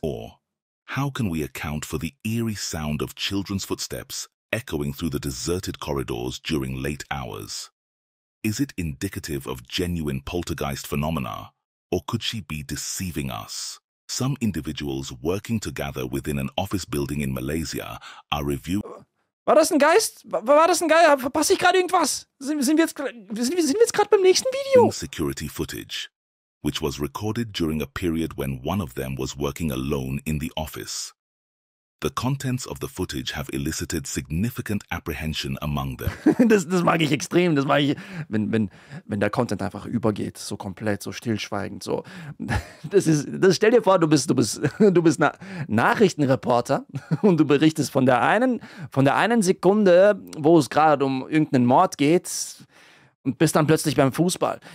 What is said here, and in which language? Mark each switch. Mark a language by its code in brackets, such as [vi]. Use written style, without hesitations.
[en] Or, how can we account for the eerie sound of children's footsteps echoing through the deserted corridors during late hours? Is it indicative of genuine poltergeist phenomena, or could she be deceiving us? Some individuals working together within an office building in Malaysia are reviewing. [de] War das ein Geist? War das ein Geist? Verpasse ich gerade irgendwas? Sind wir jetzt gerade beim nächsten Video? [en] In security footage, which was recorded during a period when one of them was working alone in the office. The contents of the footage have elicited significant apprehension among them. [de] Das mag ich extrem. Das mag ich, wenn der Content einfach übergeht, so komplett, so stillschweigend, so. Stell dir vor, du bist Nachrichtenreporter und du berichtest von der einen Sekunde, wo es gerade um irgendeinen Mord geht, und bist dann plötzlich beim Fußball.